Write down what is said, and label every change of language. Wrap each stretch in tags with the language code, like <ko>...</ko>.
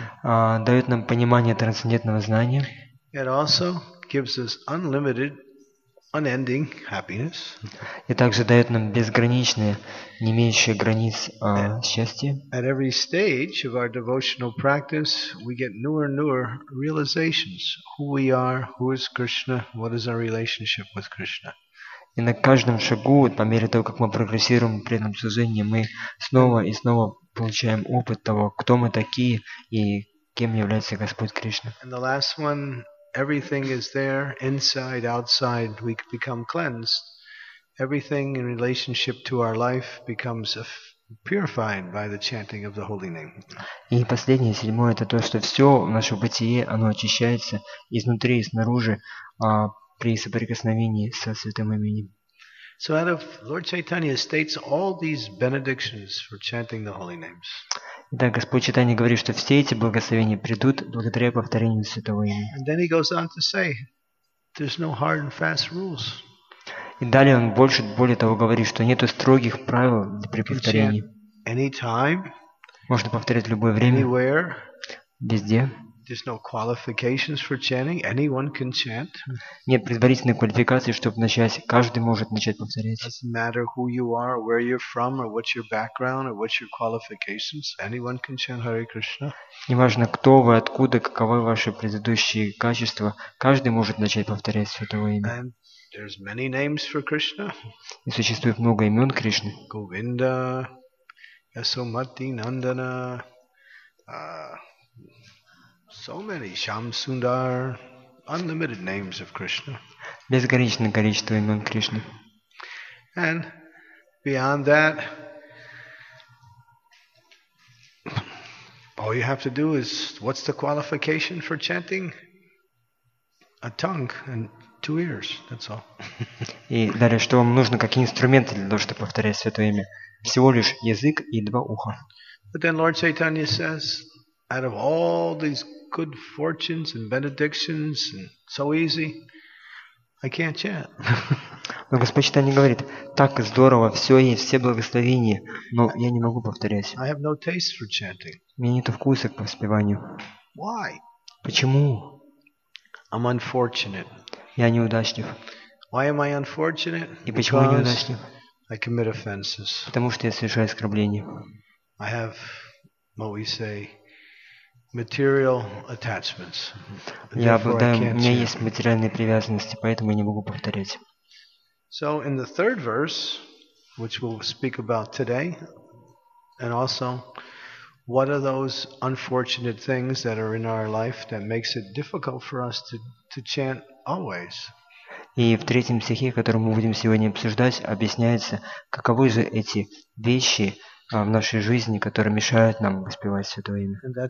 <ru>Дает нам понимание трансцендентного знания.</ru> <en>It also gives us unlimited, unending happiness.</en> <ru>И также дает нам безграничное, не имеющее границ счастье.</ru> <en>At every stage of our devotional practice, we get newer and newer realizations: who we are, who is Krishna, what is our relationship with Krishna.</en> <ru>И на каждом шагу, по мере того, как мы прогрессируем в преданном служении, мы снова и снова получаем опыт того, кто мы такие и кем является Господь Кришна.</ru> <en>And the last one, everything is there, inside, outside, we become cleansed. Everything in relationship to our life becomes purified by the chanting of the holy name.</en> <ru>И последнее, седьмое, это то, что все наше бытие, оно очищается изнутри и снаружи, при соприкосновении со святым именем.</ru> <en>So out of Lord Chaitanya states all these benedictions for chanting the holy names.</en> <ru>Да, Господь Чайтанья говорит, что все эти благословения придут благодаря повторению святого имени.</ru> <en>And then he goes on to say, there's no hard and fast rules.</en> <ru>И далее он более того говорит, что нету строгих правил при повторении.</ru> <en>Anytime,</en> <ru>можно повторять в любое время.</ru> <en>Anywhere,</en> <ru>везде.</ru> <en>There's no qualifications for chanting. Anyone can chant.</en> <ru>Нет предварительной квалификации, чтобы начать. Каждый может начать повторять.</ru> <en>Doesn't matter who you are, or where you're from, or what's your background, or what's your qualifications. Anyone can chant Hare Krishna.</en> <ru>Неважно, кто вы, откуда, каковы ваши предыдущие качества. Каждый может начать повторять святое имя.</ru> <en>And there's many names for Krishna.</en> <ru>И существует много имен Кришны.</ru> <en>Govinda, Yasomati, Nandana. So many Shyam Sundar, unlimited names of Krishna.</en> <ru>Безграничное количество имен Кришны.</ru> <en>And beyond that, all you have to do is, what's the qualification for chanting? A tongue and two ears, that's all.</en> <ru>И далее, что вам нужно, какие инструменты для того, чтобы повторять святое имя? Всего лишь язык и два уха.</ru> <en>But then Lord Chaitanya says, out of all these good fortunes and benedictions and so easy, I can't chant.</en> <ru>Но Господь Читание говорит, так здорово, все есть, все благословения, но я не могу повторять.</ru> <en>I have no taste for chanting.</en> <ru>У меня нет вкуса к воспеванию.</ru> <en>Why?</en> <ru>Почему?</ru> <en>I'm unfortunate.</en> <ru>Я неудачлив.</ru> <en>Why am I unfortunate?</en> <ru>И почему я неудачлив?</ru> <en>I commit offenses.</en> <ru>Потому что я совершаю оскорбления.</ru> <en>I have what we say, material attachments.</en> <ru>Я обладаю, у меня есть материальные привязанности, поэтому я не могу повторять.</ru> <en>So in the third verse, which we'll speak about today, and also, what are those unfortunate things that are in our life that makes it difficult for us to chant always?</en> <ru>И в третьем стихе, который мы будем сегодня обсуждать, объясняется, каковы же эти вещи в нашей жизни, которые мешают нам воспевать Святое Имя.</ru>